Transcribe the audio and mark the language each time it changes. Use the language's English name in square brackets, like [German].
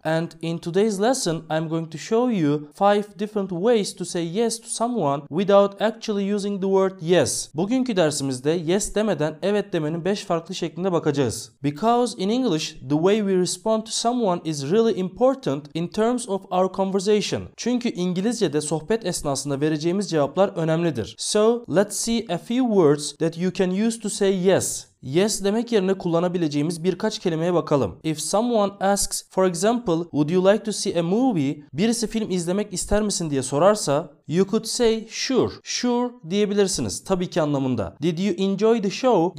[English] And in today's lesson, I'm going to show you 5 different ways to say yes to someone without actually using the word yes. [Turkish] Bugünkü dersimizde yes demeden evet demenin 5 farklı şekline bakacağız. [English] Because in English, the way we respond to someone is really important in terms of our conversation. [Turkish] Çünkü İngilizce'de sohbet esnasında vereceğimiz cevaplar önemlidir. [English] So, let's see a few words that you can use to say yes. [Turkish] Yes demek yerine kullanabileceğimiz birkaç kelimeye bakalım. [English] If someone asks, for example, would you like to see a movie? [Turkish] Birisi film izlemek ister misin diye sorarsa, [English] you could say sure. [Turkish] Sure diyebilirsiniz, tabii ki anlamında. [English] Did you enjoy the show?